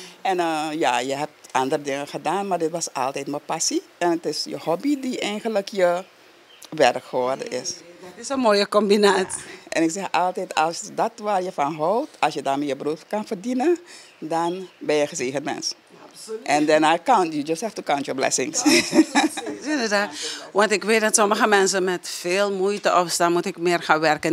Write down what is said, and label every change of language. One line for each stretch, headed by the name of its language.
Dutch: En ja, je hebt andere dingen gedaan, maar dit was altijd mijn passie. En het is je hobby die eigenlijk je werk geworden is. Dat is een mooie combinatie. Ja. En ik zeg altijd, als dat waar je van houdt, als je daarmee je brood kan verdienen, dan ben je een gezegend mens. Absoluut.
English: And then I count, you just have to count your blessings.
Dutch: Inderdaad. Want ik weet dat sommige mensen met veel moeite opstaan, moet ik meer gaan werken.